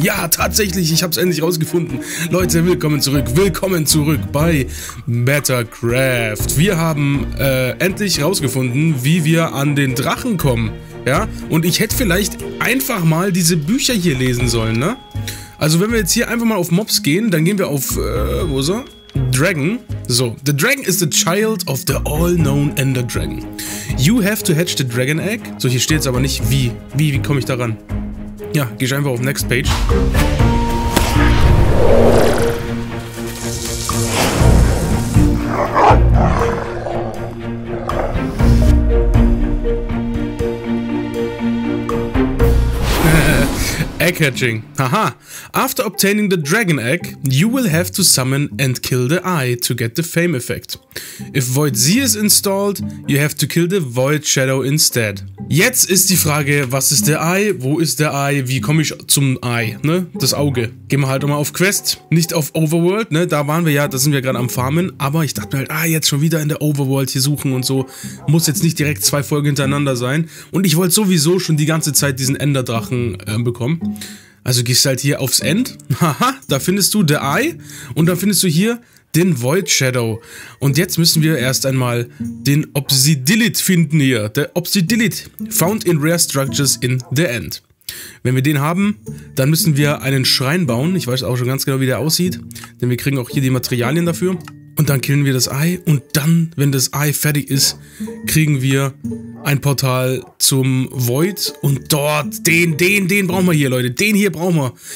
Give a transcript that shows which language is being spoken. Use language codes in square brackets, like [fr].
[de] Ja, tatsächlich, ich habe es endlich rausgefunden. Leute, willkommen zurück bei Bettercraft. Wir haben endlich rausgefunden, wie wir an den Drachen kommen. Ja, und ich hätte vielleicht einfach mal diese Bücher hier lesen sollen, ne? Also wenn wir jetzt hier einfach mal auf Mobs gehen, dann gehen wir auf, wo ist er? [en] Dragon. So, the dragon is the child of the all-known Ender Dragon. You have to hatch the dragon egg. [de] So, hier steht es aber nicht, wie komme ich da ran? Ja, gehe ich einfach auf Next Page. [en] Egg hatching. Haha. After obtaining the dragon egg, you will have to summon and kill the eye to get the fame effect. If Void Z is installed, you have to kill the Void Shadow instead. [de] Jetzt ist die Frage, was ist der Eye? Wo ist der Eye? Wie komme ich zum Eye? Ne? Das Auge. Gehen wir halt nochmal auf Quest. Nicht auf Overworld, ne? Da waren wir ja, da sind wir gerade am Farmen. Aber ich dachte mir halt, jetzt schon wieder in der Overworld hier suchen und so. Muss jetzt nicht direkt zwei Folgen hintereinander sein. Und ich wollte sowieso schon die ganze Zeit diesen Enderdrachen bekommen. Also gehst halt hier aufs End, haha, da findest du The Eye und dann findest du hier den Void Shadow. Und jetzt müssen wir erst einmal den Obsidilith finden hier. Der Obsidilith, [en] found in rare structures in the End. [de] Wenn wir den haben, dann müssen wir einen Schrein bauen. Ich weiß auch schon ganz genau, wie der aussieht, denn wir kriegen auch hier die Materialien dafür. Und dann killen wir das Eye und dann, wenn das Eye fertig ist, kriegen wir ein Portal zum Void und dort, den brauchen wir hier, Leute, den hier brauchen wir.